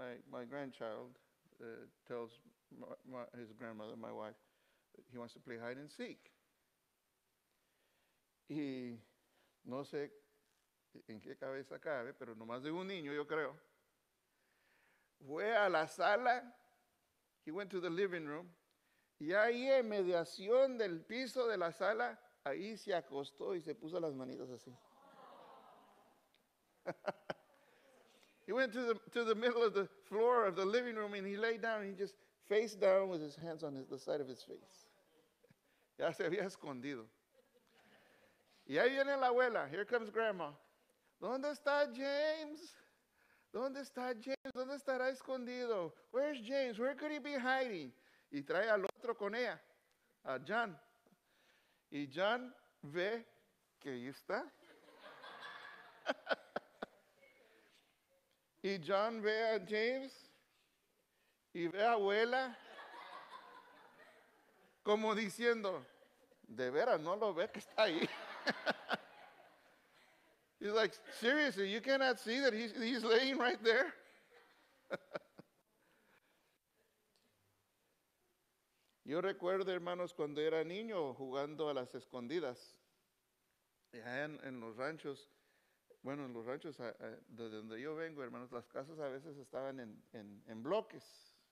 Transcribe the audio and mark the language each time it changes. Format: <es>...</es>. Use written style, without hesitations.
<en>My grandchild tells his grandmother, my wife, he wants to play hide and seek.</en> <es>Y no sé en qué cabeza cabe, pero nomás de un niño, yo creo. Fue a la sala,</es> <en>he went to the living room,</en> <es>y ahí en mediación del piso de la sala, ahí se acostó y se puso las manitas así.</es> <en>He went to the middle of the floor of the living room and he lay down and he just face down with his hands on the side of his face.</en> <es>Ya se había escondido. Y ahí viene la abuela,</es> <en>here comes grandma.</en> <es>¿Dónde está James? ¿Dónde está James? ¿Dónde estará escondido?</es> <en>Where's James? Where could he be hiding?</en> <es>Y trae al otro con ella, a John. Y John ve que ahí está. Y John ve a James y ve a abuela como diciendo, de veras no lo ve que está ahí.</es> <en>He's like, seriously, you cannot see that he's laying right there.</en> <es>Yo recuerdo, hermanos, cuando era niño jugando a las escondidas. Allá en los ranchos, bueno, en los ranchos de donde yo vengo, hermanos, las casas a veces estaban en bloques.</es>